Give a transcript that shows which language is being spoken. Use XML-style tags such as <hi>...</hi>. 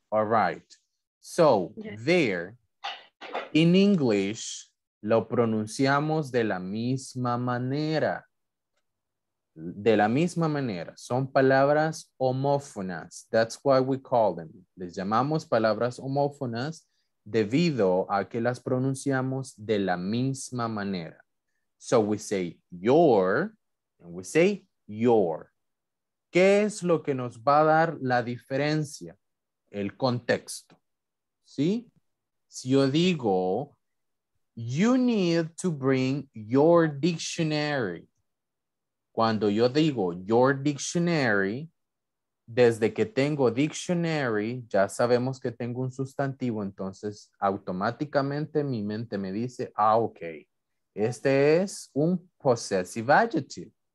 <en>All right. So, there, in English,</en> <es>lo pronunciamos de la misma manera. De la misma manera. Son palabras homófonas.</es> <en>That's why we call them.</en> <es>Les llamamos palabras homófonas debido a que las pronunciamos de la misma manera.</es> <en>So we say your, and we say your.</en> <es>¿Qué es lo que nos va a dar la diferencia? El contexto. ¿Sí? Si yo digo,</es> <en>you need to bring your dictionary.</en> <es>Cuando yo digo your dictionary, desde que tengo dictionary, ya sabemos que tengo un sustantivo, entonces automáticamente mi mente me dice, ah, ok, este es un possessive adjective.</es>